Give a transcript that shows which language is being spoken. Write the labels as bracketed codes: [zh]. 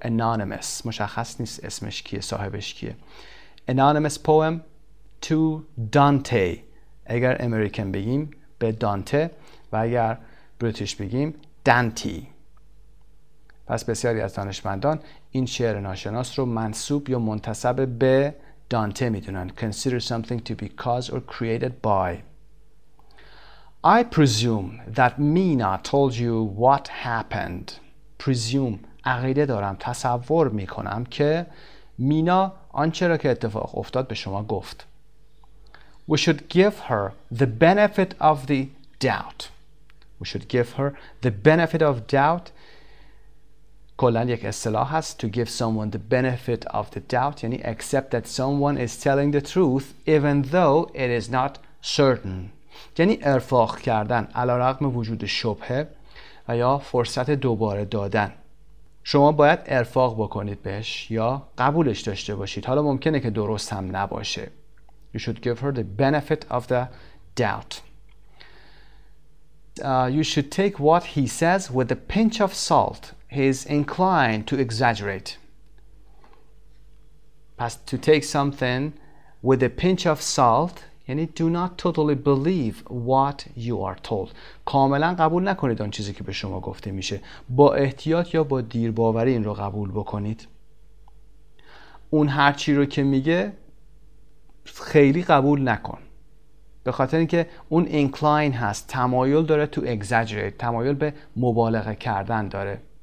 [fa] anonymous، مشخص نیست اسمش کیه، صاحبش کیه. [en] anonymous poem to Dante، [fa] اگر امریکن بگیم به دانته و اگر بریتیش بگیم دانتی. پس بسیاری از دانشمندان این شعر ناشناس رو منسوب یا منتسب به دانته میدونن. [en] consider something to be caused or created by. I presume that Mina told you what happened. [fa] Presume، عقیده دارم، تصور میکنم که مینا آنچه را که اتفاق افتاد به شما گفت. [en] We should give her the benefit of the doubt. We should give her the benefit of doubt. [fa] کلن یک اصطلاح هست. [en] To give someone the benefit of the doubt یعنی accept that someone is telling the truth even though it is not certain. [fa] یعنی ارفاق کردن علارغم وجود شبهه و یا فرصت دوباره دادن. شما باید ارفاق بکنید بهش یا قبولش داشته باشید، حالا ممکنه که درست هم نباشه. [en] You should give her the benefit of the doubt. You should take what he says with a pinch of salt. He is inclined to exaggerate. پس to take something with a pinch of salt یعنی do not totally believe what you are told. [fa] کاملا قبول نکنید آن چیزی که به شما گفته میشه. با احتیاط یا با دیرباوری این رو قبول بکنید. اون هر چی رو که میگه خیلی قبول نکن. به خاطر اینکه اون incline هست، تمایل داره [en] to exaggerate، [fa] تمایل به مبالغه کردن داره.